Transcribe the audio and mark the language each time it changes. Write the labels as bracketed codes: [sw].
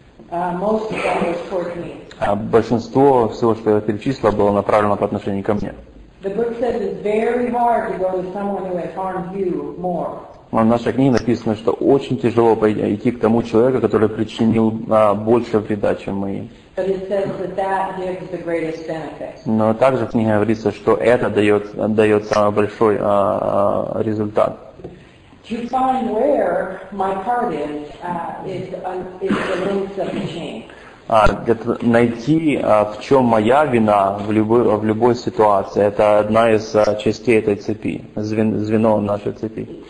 [en] Most of that was towards me. [ru] Большинство всего, что я перечислила, было направлено по отношению ко мне. [en] The book says it's very hard to go to someone who has harmed you more. [ru] В нашей книге написано, что очень тяжело идти к тому человеку, который причинил больше вреда, чем мы. [en] But it says that gives the greatest benefit. [ru] Но также в книге говорится, что это дает самый большой результат. [en] To find where my part is the length of the chain. [ru] Найти, в чем моя вина в любой ситуации, это одна из частей этой цепи, звено нашей цепи.